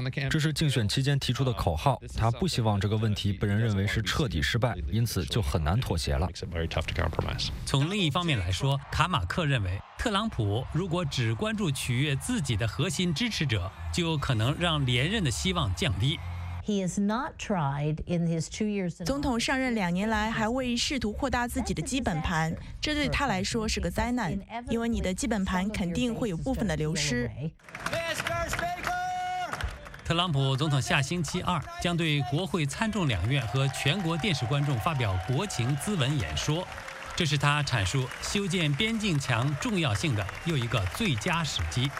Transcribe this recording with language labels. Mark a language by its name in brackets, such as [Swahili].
[Chinese] 这是竞选期间提出的口号，他不希望这个问题被人认为是彻底失败，因此就很难妥协了。从另一方面来说，卡马克认为，特朗普如果只关注取悦自己的核心支持者，就可能让连任的希望降低。 [English] He has not tried in his 2 years. [Chinese] 总统上任两年来还未试图扩大自己的基本盘，这对他来说是个灾难，因为你的基本盘肯定会有部分的流失。特朗普总统下星期二将对国会参众两院和全国电视观众发表国情咨文演说，这是他阐述修建边境墙重要性的又一个最佳时机。